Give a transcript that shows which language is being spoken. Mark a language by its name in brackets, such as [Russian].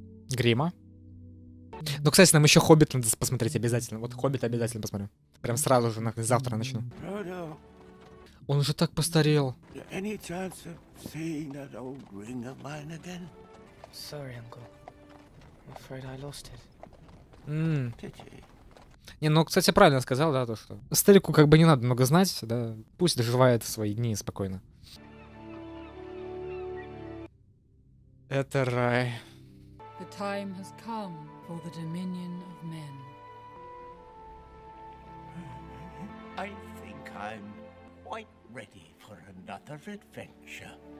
[Russian] Грима. Ну, кстати, нам еще Хоббит надо посмотреть обязательно. Вот Хоббит обязательно посмотрю. Прям сразу же, завтра начну. Фродо. Он уже так постарел. [English] Any chance of seeing that old ring of mine again? Sorry, uncle. I'm afraid I lost it. [Russian] Не, ну, кстати, правильно сказал, да, то, что старику как бы не надо много знать, да. Пусть доживает свои дни спокойно. Это рай. [English] The time has come for the dominion of men. I think I'm quite ready for another adventure.